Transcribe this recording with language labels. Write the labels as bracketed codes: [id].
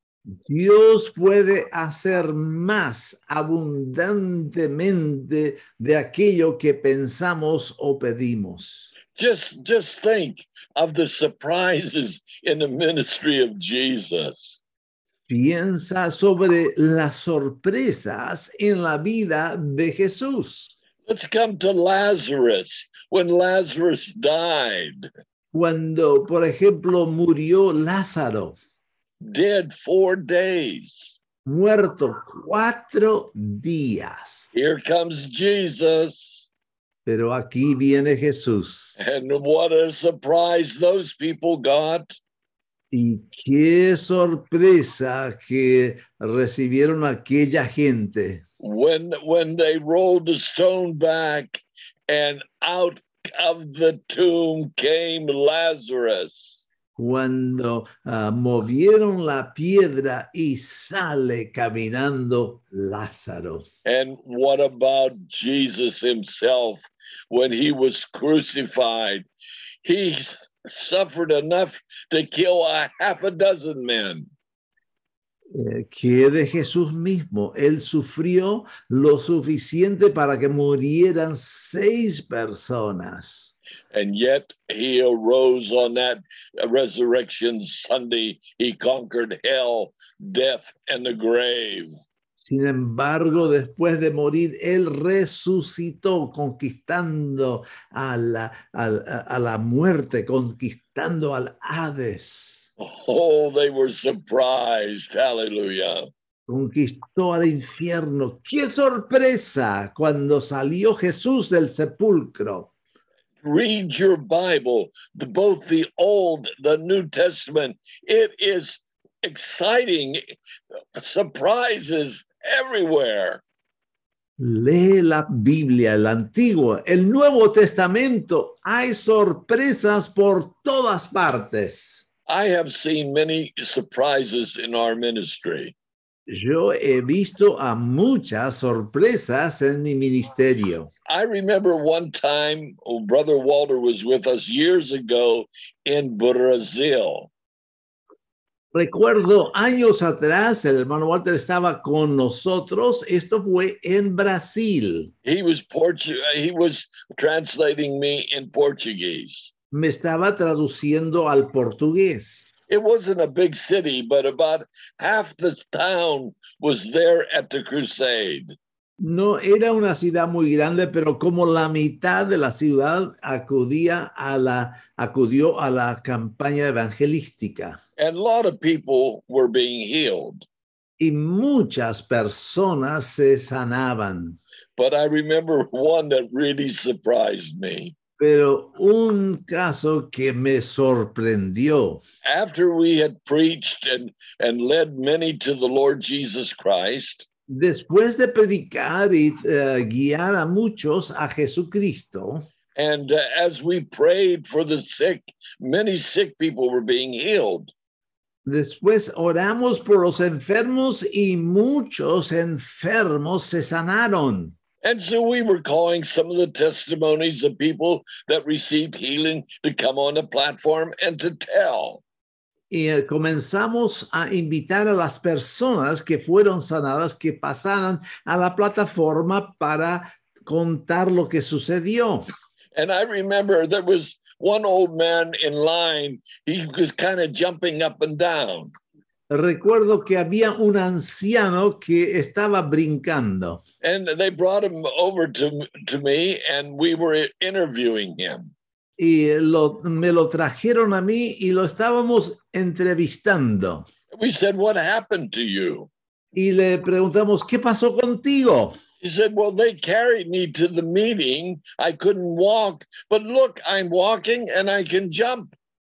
[es] Dios puede hacer más abundantemente de aquello que pensamos o pedimos. [en] Just think of the surprises in the ministry of Jesus. [es] Piensa sobre las sorpresas en la vida de Jesús. [en] Let's come to Lazarus, when Lazarus died. [es] Cuando, por ejemplo, murió Lázaro. [en] Dead 4 days. [es] Muerto 4 días. [en] Here comes Jesus. [es] Pero aquí viene Jesús. [en] And what a surprise those people got. [es] Y qué sorpresa que recibieron aquella gente. [en] When they rolled the stone back and out of the tomb came Lazarus. [es] Cuando movieron la piedra y sale caminando Lázaro. [en] And what about Jesus himself when he was crucified? He suffered enough to kill a half a dozen men. [es] Que de Jesús mismo, él sufrió lo suficiente para que murieran 6 personas. [en] And yet he arose on that resurrection Sunday. He conquered hell, death, and the grave. [es] Sin embargo, después de morir, él resucitó conquistando a la muerte, conquistando al Hades. Oh, they were surprised. Hallelujah. Conquistó al infierno. ¡Qué sorpresa! Cuando salió Jesús del sepulcro. [en] Read your Bible, both the Old, the New Testament. It is exciting, surprises everywhere. [es] Lee la Biblia, el Antiguo, el Nuevo Testamento. Hay sorpresas por todas partes. [en] I have seen many surprises in our ministry. [es] Yo he visto a muchas sorpresas en mi ministerio. [en] I remember one time, oh, Brother Walter was with us years ago in Brazil. [es] Recuerdo años atrás, el hermano Walter estaba con nosotros. Esto fue en Brasil. [en] He was translating me in Portuguese. [es] Me estaba traduciendo al portugués. [en] It wasn't a big city, but about half the town was there at the crusade. [es] No era una ciudad muy grande, pero como la mitad de la ciudad acudió a la campaña evangelística. [en] And a lot of people were being healed. [es] Y muchas personas se sanaban. [en] But I remember one that really surprised me. [es] Pero un caso que me sorprendió. [en] After we had preached and led many to the Lord Jesus Christ. [es] Después de predicar y guiar a muchos a Jesucristo. [en] And as we prayed for the sick, many sick people were being healed. [es] Después oramos por los enfermos y muchos enfermos se sanaron. [en] And so we were calling some of the testimonies of people that received healing to come on the platform and to tell. [es] Y comenzamos a invitar a las personas que fueron sanadas que pasaran a la plataforma para contar lo que sucedió. [en] And I remember there was one old man in line. He was kind of jumping up and down. [es] Recuerdo que había un anciano que estaba brincando. [en] And they brought him over to me and we were interviewing him. [es] Y me lo trajeron a mí y lo estábamos entrevistando. [en] We said, "What happened to you?" [es] Y le preguntamos, "¿Qué pasó contigo?" [en] He said, "Well, they carried me to the meeting. I couldn't walk, but look, I'm walking and I can jump."